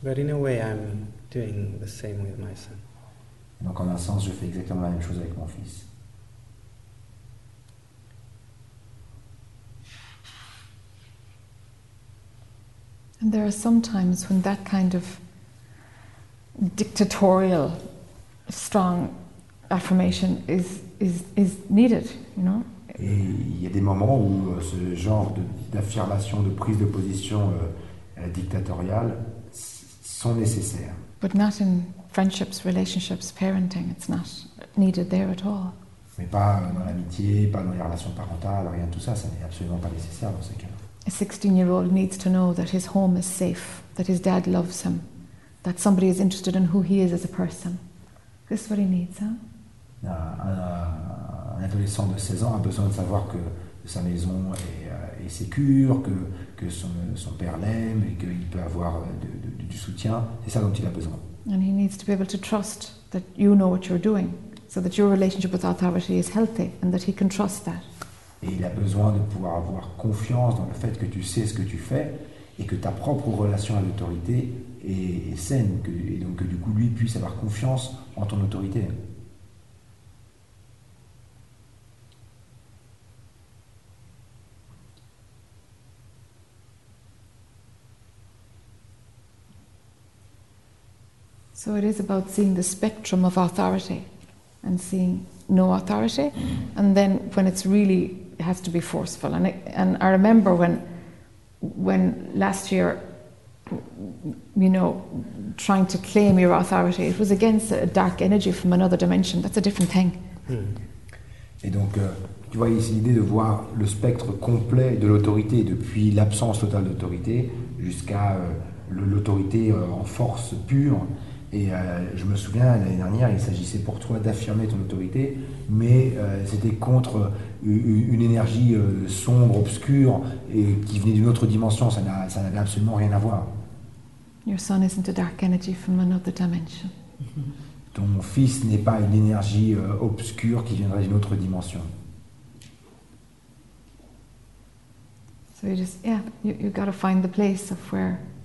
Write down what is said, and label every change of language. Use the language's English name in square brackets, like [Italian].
[English] But in a way, I'm doing the same with my son. [French] Donc, en un sens, je fais exactement la même chose avec mon fils. [English] And there are some times when that kind of dictatorial, strong affirmation is needed, you know. [French] Et il y a des moments où ce genre de, d'affirmation, de prise de position dictatoriale sont nécessaires. [English] But not in friendships, relationships, parenting. It's not needed there at all. [French] Mais pas dans l'amitié, pas dans les relations parentales, rien de tout ça. Ça n'est absolument pas nécessaire dans ces cas-là. [English] A 16-year-old needs to know that his home is safe, that his dad loves him, that somebody is interested in who he is as a person. This is what he needs, huh? [French] Un adolescent de 16 ans a besoin de savoir que sa maison est, est sécure, que son père l'aime et qu'il peut avoir du soutien. C'est ça dont il a besoin. [English] And he needs to be able to trust that you know what you're doing, so that your relationship with authority is healthy and that he can trust that. [French] Et il a besoin de pouvoir avoir confiance dans le fait que tu sais ce que tu fais et que ta propre relation à l'autorité est, est saine. Que, et donc que du coup, lui puisse avoir confiance en ton autorité. [English] So it is about seeing the spectrum of authority and seeing no authority. And then when it's really... It has to be forceful, and I remember when last year, you know, trying to claim your authority, it was against a dark energy from another dimension. That's a different thing. [French] Et donc, tu vois, c'est l'idée de voir le spectre complet de l'autorité, depuis l'absence totale d'autorité jusqu'à l'autorité en force pure. Et je me souviens, l'année dernière, il s'agissait pour toi d'affirmer ton autorité, mais c'était contre une énergie sombre, obscure, et qui venait d'une autre dimension. Ça n'avait absolument rien à voir. [English] Your son isn't a dark energy from another dimension. [French] Ton fils n'est pas une énergie obscure qui viendrait d'une autre dimension. [English] So you just, yeah, you got to find the place of where...